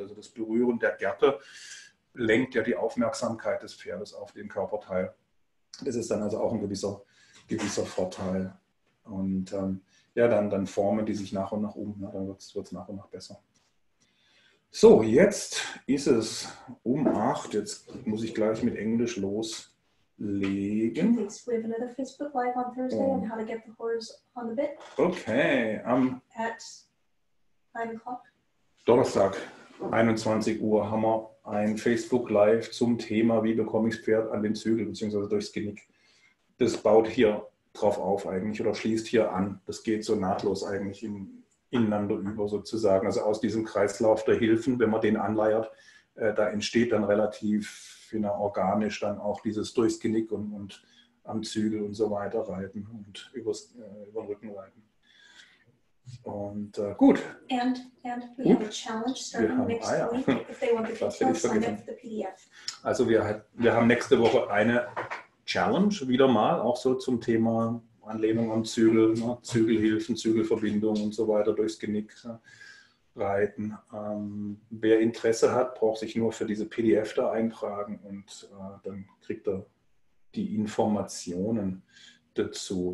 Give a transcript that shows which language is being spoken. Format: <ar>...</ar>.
<de>Also das Berühren der Gerte lenkt ja die Aufmerksamkeit des Pferdes auf den Körperteil. Das ist dann also auch ein gewisser Vorteil. Und ja, dann formen die sich nach und nach um. Ne? Dann wird es nach und nach besser. So, jetzt ist es um 8. Jetzt muss ich gleich mit Englisch loslegen.</de> <en>We have another Facebook Live on Thursday on how to get the horse on the bit. Okay. At 9 o'clock.</en> <de>Donnerstag, 21 Uhr, haben wir ein Facebook Live zum Thema, wie bekomme ich das Pferd an den Zügel bzw. durchs Genick. Das baut hier drauf auf eigentlich oder schließt hier an. Das geht so nahtlos eigentlich ineinander über sozusagen. Also aus diesem Kreislauf der Hilfen, wenn man den anleiert, da entsteht dann relativ organisch dann auch dieses durchs Genick und am Zügel und so weiter reiten und über den Rücken reiten. Und gut.</de> <en>And we have a challenge starting next week. If they want the details, sign up for the PDF.</en> <de>Also wir haben nächste Woche eine Challenge wieder mal, auch so zum Thema Anlehnung am Zügel, ne? Zügelhilfen, Zügelverbindung und so weiter durchs Genick reiten. Wer Interesse hat, braucht sich nur für diese PDF da eintragen und dann kriegt er die Informationen dazu.</de>